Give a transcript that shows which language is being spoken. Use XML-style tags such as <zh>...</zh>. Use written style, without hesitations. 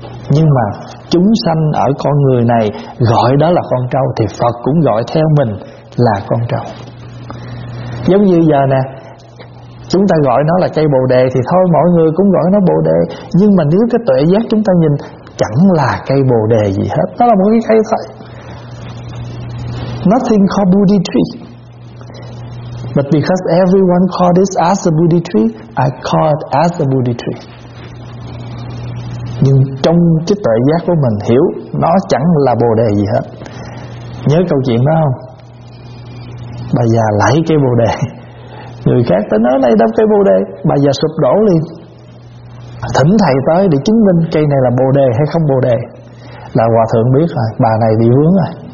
<vi>Nhưng mà chúng sanh ở con người này gọi đó là con trâu, thì Phật cũng gọi theo mình là con trồng. Giống như giờ nè, chúng ta gọi nó là cây bồ đề thì thôi mọi người cũng gọi nó bồ đề, nhưng mà nếu cái tuệ giác chúng ta nhìn, chẳng là cây bồ đề gì hết, nó là một cái cây thôi.</vi> <en>Nothing called Bodhi tree, but because everyone called it as a Bodhi tree, I call it as a Bodhi tree.</en> <vi>Nhưng trong cái tuệ giác của mình hiểu nó chẳng là bồ đề gì hết. Nhớ câu chuyện đó không? Bà già lấy cây bồ đề, người khác tới nói này đâu cây bồ đề, bà già sụp đổ liền. Thỉnh thầy tới để chứng minh cây này là bồ đề hay không bồ đề, là hòa thượng biết rồi, bà này bị vướng rồi.</vi>